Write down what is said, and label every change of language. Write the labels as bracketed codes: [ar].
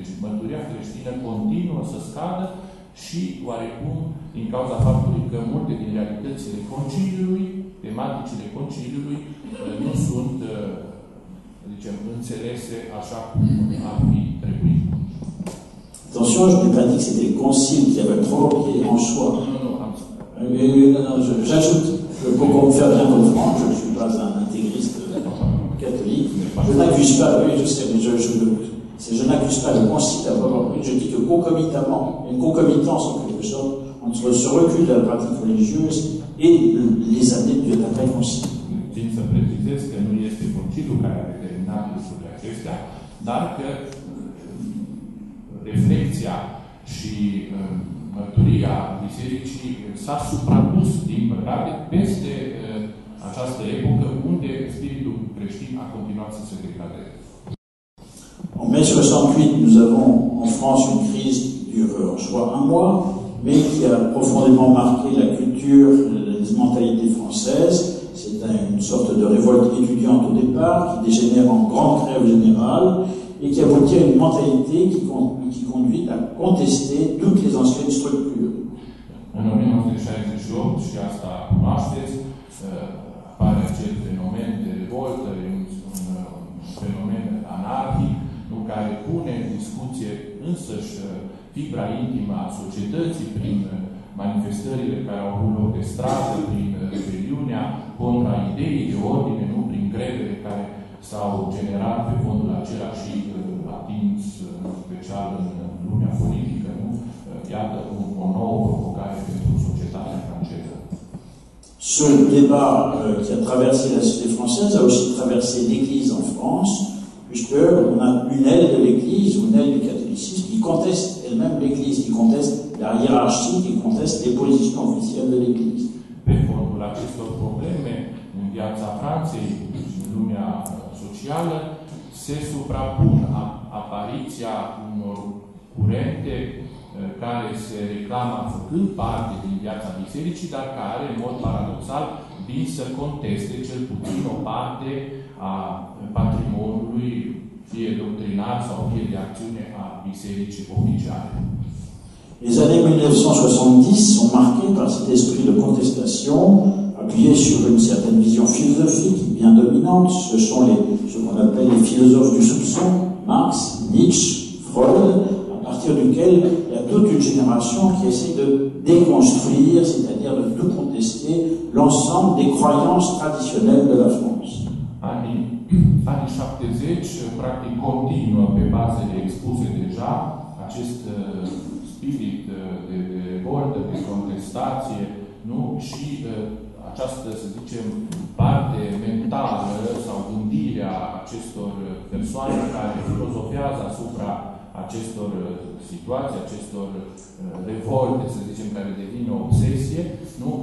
[ro] Deci, mărturia creștină continuă să scadă și, oarecum, din cauza faptului că multe din realitățile Conciliului, tematicile Conciliului, nu sunt, zicem, înțelese așa cum ar fi trebuit. [fr] Attention, je n'ai pas dit que c'était le concile qui avait provoqué en soi. Non, j'ajoute, pour qu'on me fasse bien comprendre, je ne suis pas un intégriste catholique, je n'accuse pas le concile d'avoir repris, je dis que concomitamment, une concomitance en quelque sorte, entre ce recul de la pratique religieuse et les années de l'après concile. Je tiens à préciser que ce n'est pas le concile qui a déterminé sur les questions, mais que [ro] reflexia și mărturia bisericii s-a suprapus, din păcate, peste această epocă unde spiritul creștin a continuat să se degradeze. [fr] En mai 68, nous avons en France une crise dure en soi un mois, mais qui a profondément marqué la culture, les mentalités françaises. C'est une sorte de révolte étudiante au départ, qui dégénère en grande grève générale, et qui aboutit à une mentalité qui conduit à contester toutes les anciennes structures. [ro] En 1968, și asta cunoașteți, apare acel fenomen de revoltă, un fenomen anarhic, nu, care pune în discuție însăși fibra intimă a societății prin manifestările care au avut loc de stradă, prin rebeliunea contra ideii de ordine, nu, prin grevele care s-au generat pe fondul acela și atins, special în lumea politică, nu? Iată o nouă provocare pentru societatea franceză. [fr] Ce débat qui a traversé la société française a aussi traversé l'Église en France, puisqu'on a une aile de l'Église, une aile du catholicisme, qui conteste elle-même l'Église, qui conteste la hiérarchie, qui conteste les positions officielles de l'Église. [ro] Pe fondul acestor probleme, în viața Franței, în lumea socială, se suprapun apariția unor curente care se reclamă făcând parte din viața Bisericii, dar care, în mod paradoxal, vin să conteste cel puțin o parte a patrimoniului, fie doctrinar sau fie de acțiune a Bisericii oficiale. [fr] Les années 1970 sont marquées par cet esprit de contestation, appuyé sur une certaine vision philosophique bien dominante. Ce sont ce qu'on appelle les philosophes du soupçon, Marx, Nietzsche, Freud, à partir duquel il y a toute une génération qui essaie de déconstruire, c'est-à-dire de tout contester, l'ensemble des croyances traditionnelles de la France. [ro] Anii 70, practic, continuă pe bazele expuse deja acest spirit de revoltă, de contestație, nu? Și această, să zicem, parte mentală sau gândirea acestor persoane care filozofează asupra acestor situații, acestor revolte, să zicem, care devin o obsesie, nu?